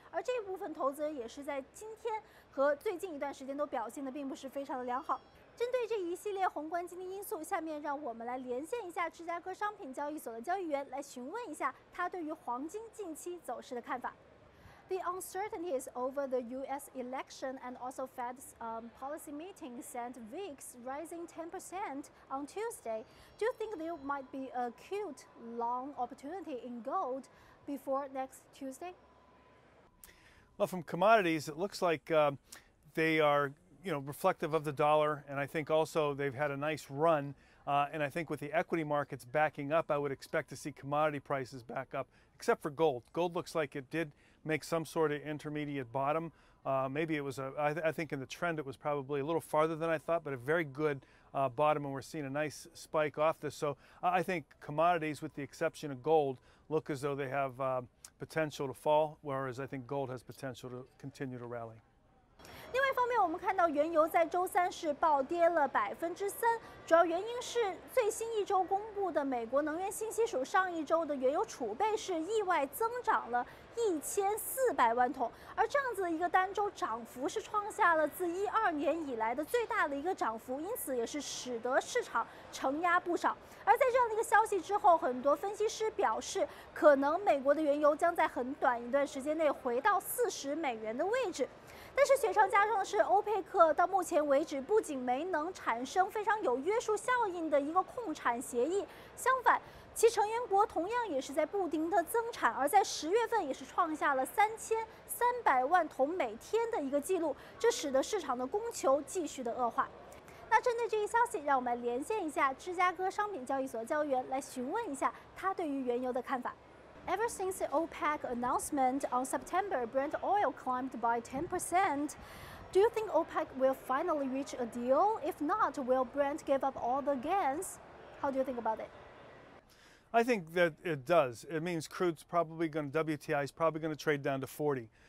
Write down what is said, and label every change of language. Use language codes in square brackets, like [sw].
[zh] 而这部分投资人也是在今天和最近一段时间都表现的并不是非常的良好。针对这一系列宏观经济因素，下面让我们来连线一下芝加哥商品交易所的交易员，来询问一下他对于黄金近期走势的看法。 [en] The uncertainties over the U.S. election and also Fed's policy meeting sent VIX rising 10% on Tuesday. Do you think there might be a cute long opportunity in gold before next Tuesday? Well, from commodities, it looks like they are... reflective of the dollar, and I think also they've had a nice run. And I think with the equity markets backing up, I would expect to see commodity prices back up, except for gold. Gold looks like it did make some sort of intermediate bottom. Maybe it was, I think in the trend, it was probably a little farther than I thought, but a very good bottom, and we're seeing a nice spike off this. So I think commodities, with the exception of gold, look as though they have potential to fall, whereas I think gold has potential to continue to rally. [zh] 另外一方面，我们看到原油在周三是暴跌了3%，主要原因是最新一周公布的美国能源信息署上一周的原油储备是意外增长了1400万桶，而这样子的一个单周涨幅是创下了自12年以来的最大的一个涨幅，因此也是使得市场承压不少。而在这样的一个消息之后，很多分析师表示，可能美国的原油将在很短一段时间内回到40美元的位置。但是雪上加霜的是，欧佩克到目前为止不仅没能产生非常有约束效应的一个控产协议，相反，其成员国同样也是在不停的增产，而在10月份也是创下了3300万桶每天的一个记录，这使得市场的供求继续的恶化。那针对这一消息，让我们连线一下芝加哥商品交易所的交易员，来询问一下他对于原油的看法。 [en] Ever since the OPEC announcement on September, Brent oil climbed by 10%. Do you think OPEC will finally reach a deal? If not, will Brent give up all the gains? How do you think about it? I think that it does. It means crude's probably going to, WTI is probably going to trade down to 40.